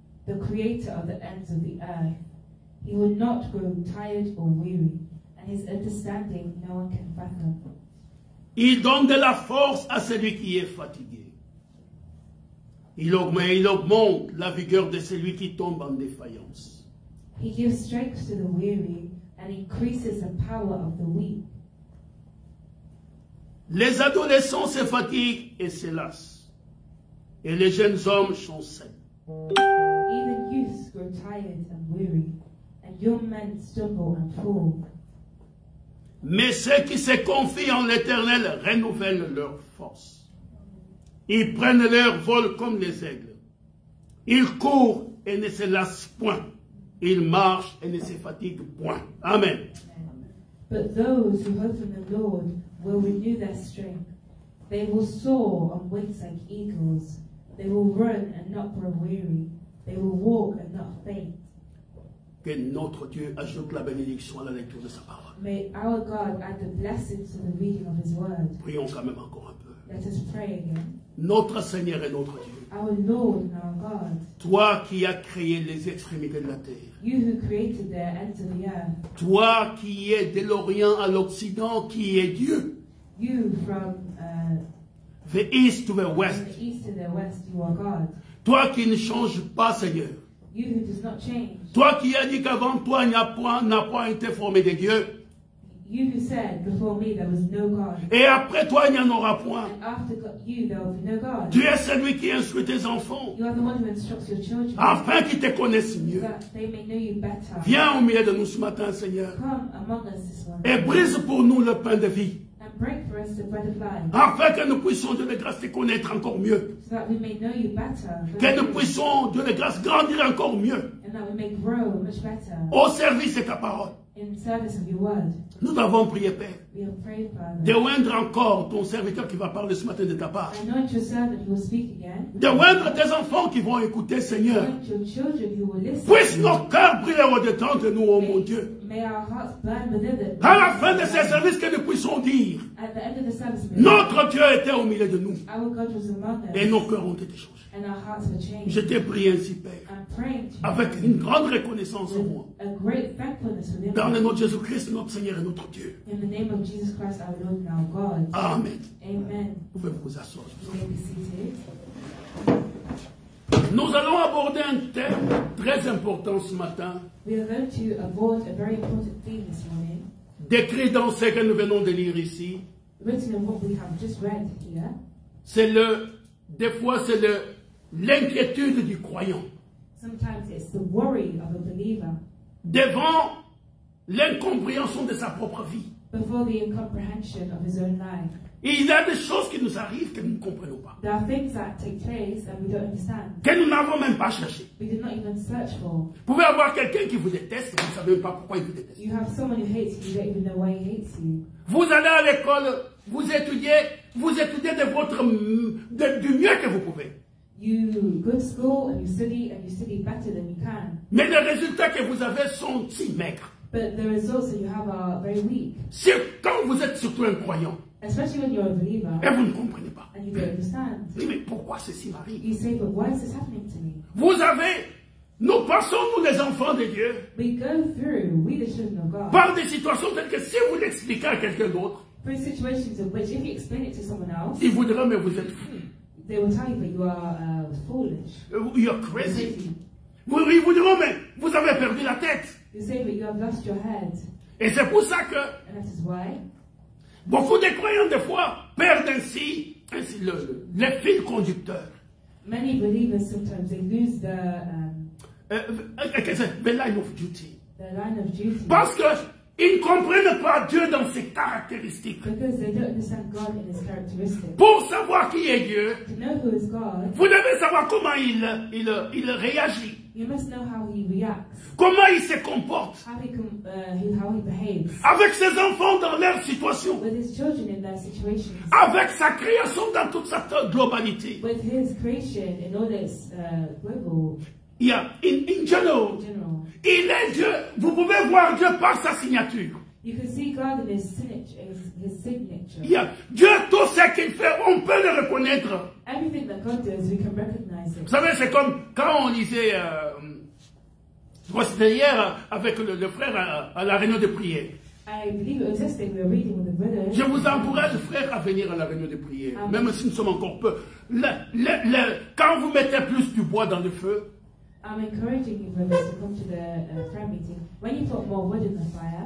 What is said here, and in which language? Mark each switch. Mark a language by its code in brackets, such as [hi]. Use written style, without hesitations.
[en] The creator of the ends of the earth. He will not grow tired or weary, and his understanding no one can fathom. [fr] Il donne de la force à celui qui est fatigué. Il augmente la vigueur de celui qui tombe en défaillance. [en] He gives strength to the weary and increases the power of the weak. [fr] Les adolescents se fatiguent et se lassent, et les jeunes hommes chancellent. [en] Even youths grow tired and weary, and young men stumble and fall. [fr] Mais ceux qui se confient en l'Éternel renouvellent leur force. Ils prennent leur vol comme les aigles. Ils courent et ne se lassent point. Ils marchent et ne se fatiguent point. Amen. [en] But those who hope in the Lord will renew their strength. They will soar on wings like eagles. They will run and not grow weary. They will walk and not faint. [fr] Que notre Dieu ajoute la bénédiction à la lecture de sa parole. [en] May our God add the blessing to the reading of his word. [fr] Prions quand même encore un peu. [en] Let us pray again. [fr] Notre Seigneur et notre Dieu. [en] Our Lord and our God. [fr] Toi qui as créé les extrémités de la terre. [en] You who created the ends of the earth. [fr] Toi qui es de l'Orient à l'Occident, qui est Dieu. [en] You from the east to the west. From the east to the west, you are God. [fr] Toi qui ne changes pas, Seigneur. [en] You who does not change. [fr] Toi qui as dit qu'avant toi, n'a point été formé de Dieu. [en] You who said before me there was no God. [fr] Et après toi il n'y en aura point. [en] And after you there will be no God. [fr] Dieu est celui qui instruit tes enfants. [en] You are the one who instructs your children. [fr] Afin qu'ils te connaissent mieux. [en] That they may know you better. [fr] Viens au milieu de nous ce matin, Seigneur. [en] Come among us this morning. [fr] Et brise pour nous le pain de vie. [en] And break for us the bread of life. [fr] Afin que nous puissions, Dieu de grâce, te connaître encore mieux. [en] So that we may know you better. [fr] Que nous puissions, Dieu de grâce, grandir encore mieux. [en] And that we may grow much better. [fr] Au service de ta parole. [en] In service of your word. [fr] Nous t'avons prié, Père, [en] we have prayed, Father. [fr] De oindre encore ton serviteur qui va parler ce matin de ta part. [en] I know your servant who will speak again. [fr] De oindre tes enfants qui vont écouter, Seigneur. [en] Your children who will listen. [fr] Puisse nos cœurs briller au-dedans de nous, oh mon Dieu. [en] May our hearts burn within it. [fr] À la fin de ces services, que nous puissions dire, [en] at the end of the service, [fr] notre Dieu était au milieu de nous. [en] Our God was among us. [fr] Et nos cœurs ont été changés. [en] And our hearts were changed. [fr] Je t'ai prié ainsi, Père. Avec une grande reconnaissance en moi. Dans le nom de Jésus-Christ, notre Seigneur et notre Dieu. [en] In the name of Jesus Christ, our Lord and our God. Amen. Amen. [fr] Vous pouvez vous asseoir. [en] You may be seated. [fr] Nous allons aborder un thème très important ce matin. [en] We are going to abort a very important theme this morning. [fr] Décrit dans ce que nous venons de lire ici. [en] Written in what we have just read here. [fr] C'est le, des fois c'est le, l'inquiétude du croyant. [en] Sometimes it's the worry of a believer. [fr] Devant l'incompréhension de sa propre vie. [en] Before the incomprehension of his own life. [fr] Et il y a des choses qui nous arrivent que nous ne comprenons pas. [en] There are things that take place and we don't understand. [fr] Que nous n'avons même pas cherché. [en] We did not even search for. [fr] Vous pouvez avoir quelqu'un qui vous déteste, vous ne savez même pas pourquoi il vous déteste. [en] You have someone who hates you, you don't even know why he hates you. [fr] Vous allez à l'école, vous étudiez de votre, du mieux que vous pouvez. [en] You go to school and you study better than you can. [fr] Mais les résultats que vous avez sont si maigres. [en] But the results that you have are very weak. [fr] C'est quand vous êtes surtout un croyant. [en] Especially when you're a believer. [fr] Et vous ne comprenez pas. [en] And you don't understand. [fr] Mais pourquoi ceci m'arrive? [en] You say, but why is this happening to me? [fr] Vous avez, nous passons, nous les enfants de Dieu, [en] we go through, we the children of God. [fr] Par des situations telles que si vous l'expliquez à quelqu'un d'autre, [en] for situations in which if you explain it to someone else, [fr] ils vous diront, mais vous êtes fou. [en] They will tell you that you are foolish. You're crazy. [fr] Vous, ils vous diront, mais vous avez perdu la tête. [en] You say, but you have lost your head. [fr] Et c'est pour ça que, [en] and that is why, [fr] beaucoup de croyants des fois perdent ainsi, le fil conducteur. [en] Many believers sometimes they lose the line of duty. The line of duty. [fr] Parce que ils ne comprennent pas Dieu dans ses caractéristiques. [en] Because they don't understand God in his characteristics. [fr] Pour savoir qui est Dieu, [en] to know who is God, [fr] vous devez savoir comment il réagit. [en] You must know how he reacts. [fr] Comment il se comporte. [en] How he behaves. [fr] Avec ses enfants dans leur situation. [en] With his children in their situations. [fr] Avec sa création dans toute sa globalité. [en] With his creation in all this global. Yeah, in general. In general. [fr] Il est Dieu. Vous pouvez voir Dieu par sa signature. [en] You can see God in his signature. Yeah. [fr] Dieu, tout ce qu'il fait, on peut le reconnaître. [en] Everything that God does, we can recognize it. [fr] Vous savez, c'est comme quand on lisait, c'était hier avec le frère à la réunion de prière. [en] I believe it was yesterday we were reading with the brother. [fr] Je vous encourage, frère, à venir à la réunion de prière, même si nous sommes encore peu. Quand vous mettez plus du bois dans le feu. [en] I'm encouraging you, brothers, to come to the prayer meeting. When you put more wood in the fire.